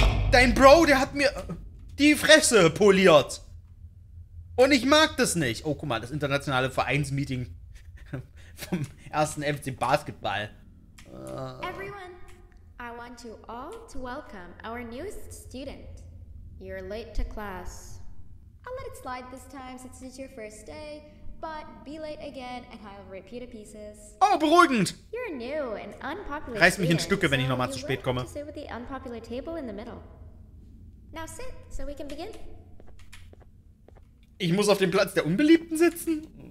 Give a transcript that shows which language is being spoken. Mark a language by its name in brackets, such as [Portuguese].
[German] Dein Bro, der hat mir die Fresse poliert! Und ich mag das nicht! Oh, guck mal, das internationale Vereinsmeeting vom ersten FC Basketball. [English] Everyone, I want you all to welcome our newest student. You're late to class. I'll let it slide this time since it's your first day, but be late again and I'll rip you to pieces. [German] Oh, beruhigend! [English] You're new and unpopular. [German] Reiß mich in Stücke, wenn ich nochmal zu spät komme. [English] Sit with the unpopular table in the middle. Now sit, so we can begin. [German] Ich muss auf dem Platz der Unbeliebten sitzen?